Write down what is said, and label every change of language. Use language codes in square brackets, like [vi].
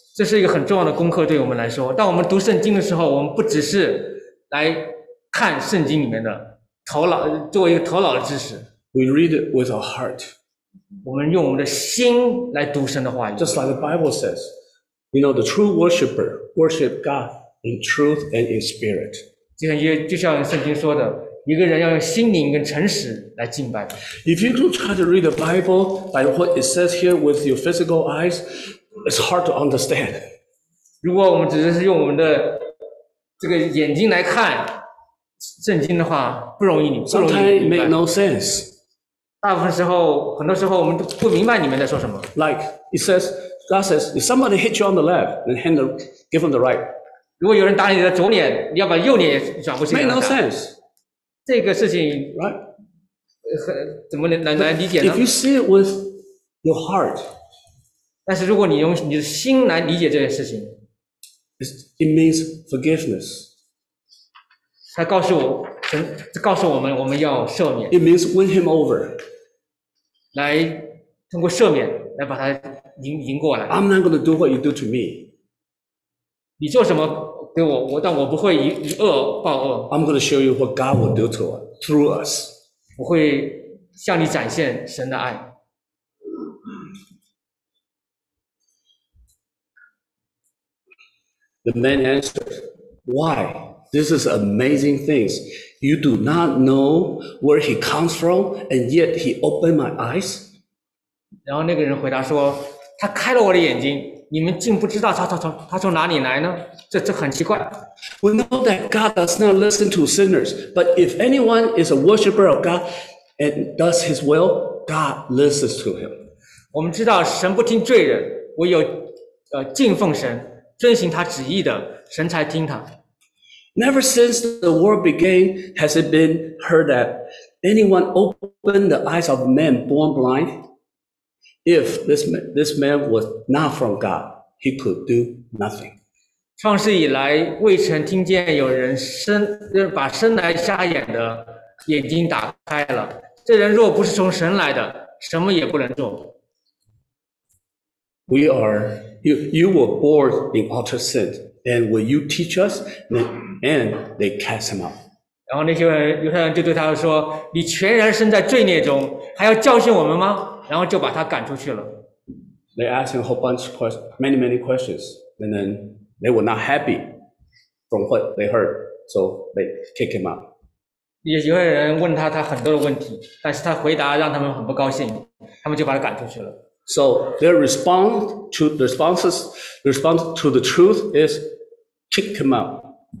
[zh] 这是一个很重要的功课，对我们来说，当我们读圣经的时候，我们不只是来看圣经里面的头脑，作为一个头脑的知识。 [en] We read it with our heart. [zh] 我们用我们的心来读神的话语。 [en] Just like the Bible says, you know, the true worshipper worship God in truth and in spirit. [zh] 就像圣经说的，一个人要用心灵跟诚实来敬拜。 [en] If you try to read the Bible by what it says here with your physical eyes, it's hard to understand. [zh] 如果我们只是用我们的这个眼睛来看圣经的话，不容易明白。 [en] Sometimes it makes no sense. [zh] 大部分时候，很多时候我们都不明白你们在说什么。 [en] Like it says, God says, if somebody hits you on the left, then hand the, give them the right. [zh] 如果有人打你的左脸，你要把右脸也转过去。 [en] Make no sense. [zh] 这个事情 [en] ，right? [zh] 怎么来理解呢 [en] ？If you see it with your heart, [zh] 但是如果你用你的心来理解这件事情 [en] ，it means forgiveness. [zh] 他告诉我。告诉我们，我们要赦免。 [en] It means win him over. [zh] 来通过赦免来把他赢过来。 [en] I'm not going to do what you do to me. [zh] 你做什么给我，我但我不会以恶报恶。 [en] I'm going to show you what God will do to us through us. [zh] 我会向你展现神的爱。 [en] The man answered, "Why?" This is amazing things. You do not know where he comes from, and yet he opened my eyes. [zh] 然后那个人回答说，他开了我的眼睛，你们竟不知道他从哪里来呢？这很奇怪。 [en] We know that God does not listen to sinners, but if anyone is a worshipper of God and does his will, God listens to him. [zh] 我们知道神不听罪人，唯有敬奉神、遵行他旨意的神才听他。 [en] Never since the world began has it been heard that anyone opened the eyes of man born blind. If this man was not from God, he could do nothing. [zh] 创世以来未曾听见有人把生来瞎眼的眼睛打开了。这人若不是从神来的，什么也不能做。 [en] You were born in utter sin, and will you teach us? And they cast him out. [zh] 然后那些犹太人就对他说：“你全然身在罪孽中，还要教训我们吗？” 然后就把他赶出去了。 [en] They asked him a whole bunch of questions, many, many questions, and then they were not happy from what they heard, so they kicked him out. [zh] 犹太人问他很多的问题，但是他回答让他们很不高兴，他们就把他赶出去了。 [en] So their response to the truth is kick him out.